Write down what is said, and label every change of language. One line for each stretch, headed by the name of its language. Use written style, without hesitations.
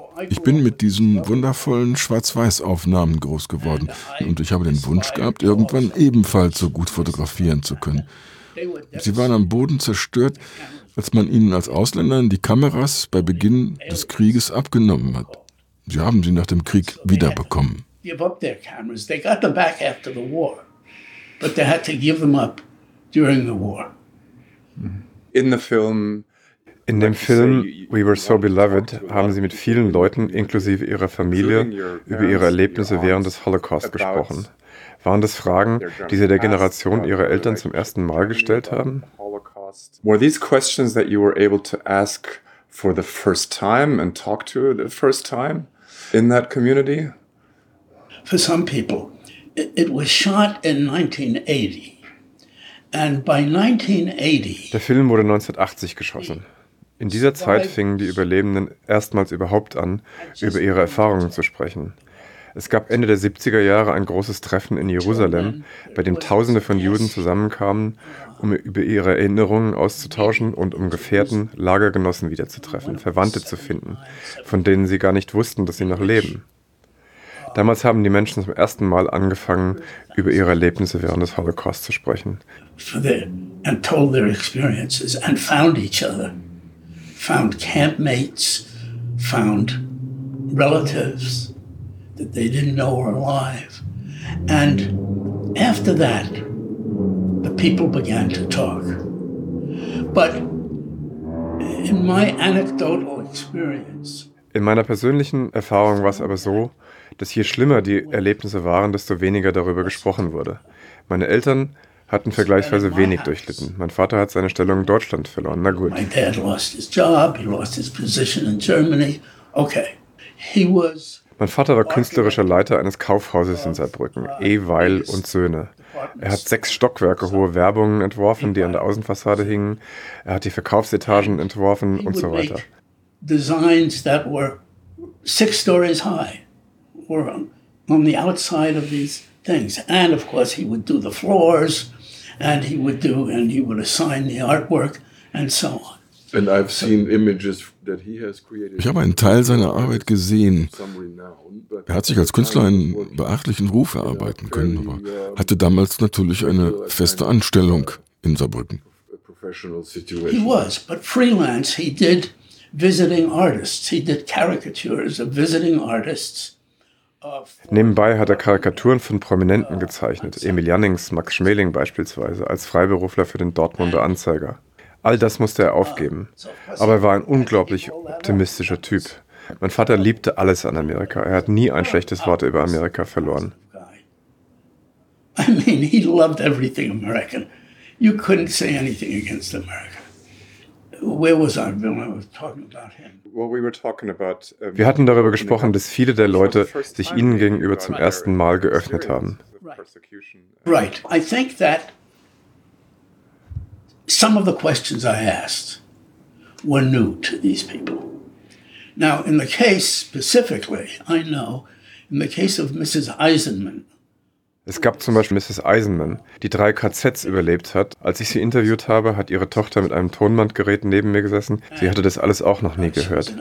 German: Ich bin mit diesen wundervollen Schwarz-Weiß-Aufnahmen groß geworden und ich habe den Wunsch gehabt, irgendwann ebenfalls so gut fotografieren zu können. Sie waren am Boden zerstört, als man ihnen als Ausländern die Kameras bei Beginn des Krieges abgenommen hat. Sie haben sie nach dem Krieg wiederbekommen.
English: Give up their cameras. They got them back after the war, but they had to give them up during the war. In the film,
German: in dem Film We Were So Beloved haben sie mit vielen Leuten, inklusive ihrer Familie, über ihre Erlebnisse während des Holocaust gesprochen. Waren das Fragen, die sie der Generation ihrer Eltern zum ersten Mal gestellt haben?
English: Were these questions that you were able to ask for the first time and talk to the first time in that community? For some people, it was shot in 1980, and by 1980.
German: Der Film wurde 1980 geschossen. In dieser Zeit fingen die Überlebenden erstmals überhaupt an, über ihre Erfahrungen zu sprechen. Es gab Ende der 70er Jahre ein großes Treffen in Jerusalem, bei dem Tausende von Juden zusammenkamen, um über ihre Erinnerungen auszutauschen und um Gefährten, Lagergenossen wiederzutreffen, Verwandte zu finden, von denen sie gar nicht wussten, dass sie noch leben. Damals haben die Menschen zum ersten Mal angefangen, über ihre Erlebnisse während des Holocaust zu sprechen.
English: And told their experiences and found each other. Found campmates, found relatives that they didn't know were alive. And after that, the people began to talk. But in my anecdotal experience.
German: In meiner persönlichen Erfahrung war es aber so, dass je schlimmer die Erlebnisse waren, desto weniger darüber gesprochen wurde. Meine Eltern hatten vergleichsweise wenig durchlitten. Mein Vater hat seine Stellung in Deutschland verloren. Na gut.
English: My dad lost his job, he lost his position in Germany. Okay. He was.
German: Mein Vater war künstlerischer Leiter eines Kaufhauses in Saarbrücken, Eweil und Söhne. Er hat 6 Stockwerke hohe Werbungen entworfen, die an der Außenfassade hingen. Er hat die Verkaufsetagen entworfen und so weiter.
English: Designs that were 6 stories high. Were on the outside of these things, and of course he would do the floors, and he would do, and he would assign the artwork, and so on. And I've seen images that he has created.
German: Ich habe einen Teil seiner Arbeit gesehen. Er hat sich als Künstler einen beachtlichen Ruf erarbeiten können, aber hatte damals natürlich eine feste Anstellung in Saarbrücken.
English: professional situation. He was, but freelance, he did visiting artists. He did caricatures of visiting artists.
German: Nebenbei hat er Karikaturen von Prominenten gezeichnet, Emil Jannings, Max Schmeling beispielsweise, als Freiberufler für den Dortmunder Anzeiger. All das musste er aufgeben. Aber er war ein unglaublich optimistischer Typ. Mein Vater liebte alles an Amerika. Er hat nie ein schlechtes Wort über Amerika verloren.
English: I mean, he loved everything American. You couldn't say anything against America. Where was I when I was talking about him?
German: Wir hatten darüber gesprochen, dass viele der Leute sich ihnen gegenüber zum ersten Mal geöffnet haben.
English: Right. I think that some of the questions I asked were new to these people. Now, in the case specifically, I know, in the case of Mrs. Eisenman.
German: Es gab zum Beispiel Mrs. Eisenman, die drei KZs überlebt hat. Als ich sie interviewt habe, hat ihre Tochter mit einem Tonbandgerät neben mir gesessen. Sie hatte das alles auch noch nie gehört.